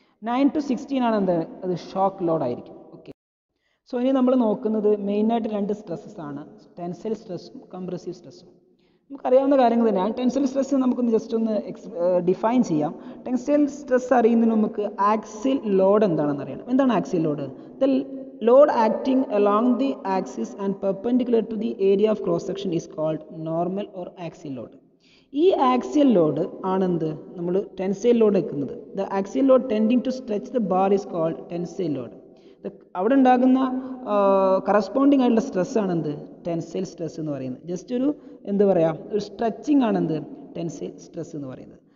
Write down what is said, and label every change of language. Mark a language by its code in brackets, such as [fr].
[ml] 9-16 ആണ് എന്താണ് അത് ഷോക്ക് ലോഡ് ആയിരിക്കും. ഓക്കെ, സോ ഇനി നമ്മൾ നോക്കുന്നത് മെയിനായിട്ട് രണ്ട് സ്ട്രെസ്സസ് ആണ്, ടെൻസൈൽ സ്ട്രെസ്സും കംപ്രസീവ് സ്ട്രെസ്സും. നമുക്കറിയാവുന്ന കാര്യങ്ങൾ തന്നെയാണ്. ടെൻസൈൽ സ്ട്രെസ് നമുക്കൊന്ന് ജസ്റ്റ് ഒന്ന് ഡിഫൈൻ ചെയ്യാം. ടെൻസൈൽ സ്ട്രെസ് അറിയുന്നതിന് നമുക്ക് ആക്സിൽ ലോഡ് എന്താണെന്ന് അറിയണം. എന്താണ് axle load? The [en] load acting along the axis and perpendicular to the area of cross section is called normal or axial load. [ml] ഈ ആക്സിയൽ ലോഡ് ആണെന്ത് നമ്മൾ ടെൻസൈൽ ലോഡ് വെക്കുന്നത്. [en] The axial load tending to stretch the bar is called tensile load. [ml] അവിടെ ഉണ്ടാകുന്ന corresponding ആയിട്ടുള്ള stress ആണെന്ത് tensile stress എന്ന് പറയുന്നത്. Just ഒരു എന്ത് പറയുക, ഒരു സ്ട്രെച്ചിങ് ആണെന്ത് ടെൻസൈൽ സ്ട്രെസ് എന്ന് പറയുന്നത്.